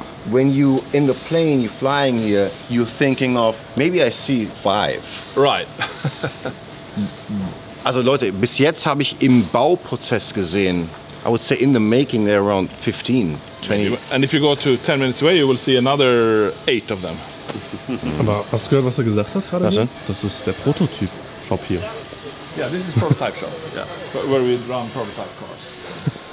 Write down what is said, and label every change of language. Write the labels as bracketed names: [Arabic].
[English] When you in the plane, you're flying here, you're thinking of, maybe I see 5. Right. [German] Also Leute, bis jetzt habe ich im Bauprozess gesehen, [English] I would say in the making, there are around 15, 20. And if you go to 10 minutes away, you will see another 8 of them. [German] Aber hast du gehört, was gesagt hat gerade? Das ist der Prototyp-Shop hier. [English] Yeah, this is prototype shop, yeah, where we run prototype cars.